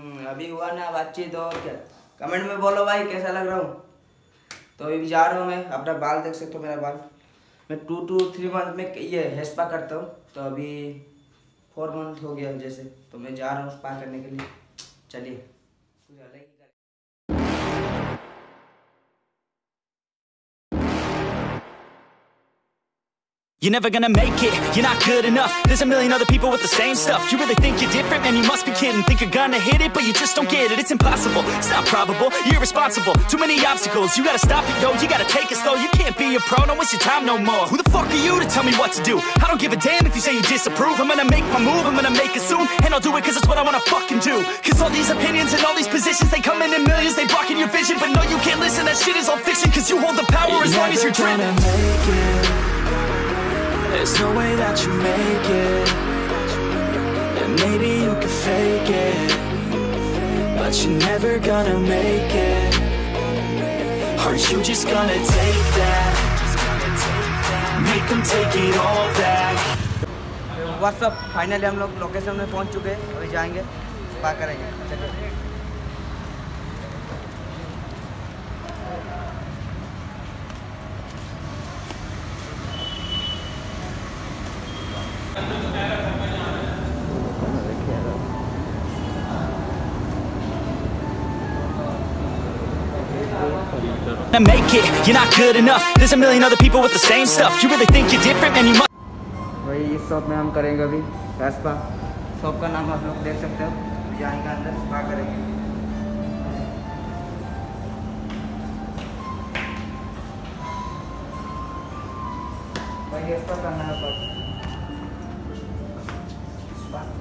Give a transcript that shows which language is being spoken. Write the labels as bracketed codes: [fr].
[hi] अभी हुआ ना बातचीत, और क्या कमेंट में बोलो भाई कैसा लग रहा हूँ। तो अभी जा रहा हूँ मैं, अपना बाल देख सकते हो, मेरा बाल मैं 2-3 मंथ में ये हेयर स्पा करता हूँ, तो अभी 4 मंथ हो गया जैसे, तो मैं जा रहा हूँ स्पा करने के लिए। [en] चलिए You're never gonna make it, you're not good enough. There's a million other people with the same stuff. You really think you're different? Man, you must be kidding. Think you're gonna hit it, but you just don't get it. It's impossible, it's not probable, you're irresponsible. Too many obstacles, you gotta stop it, yo. You gotta take it slow, you can't be a pro. Don't waste your time no more. Who the fuck are you to tell me what to do? I don't give a damn if you say you disapprove. I'm gonna make my move, I'm gonna make it soon. And I'll do it cause it's what I wanna fucking do. Cause all these opinions and all these positions, they come in millions, they blocking your vision. But no, you can't listen, that shit is all fiction. Cause you hold the power you're as long as you're dreaming. You're never gonna make it. There's no way that you make it. And maybe you can fake it, but you're never gonna make it. Are you just gonna take that? Make them take it all back. What's up? [hi] Finally हम लोग location में पहुंच चुके हैं, अभी जाएंगे spa करेंगे। [en] To make it, you're not good enough. There's a million other people with the same stuff. You really think you're different, man? You must. [hi] भाई इस शॉप में हम करेंगे अभी हेयर स्पा। शॉप का नाम आप लोग देख सकते हो। यहीं का अंदर स्पा करेंगे। भाई हेयर स्पा करना है पर। स्पा?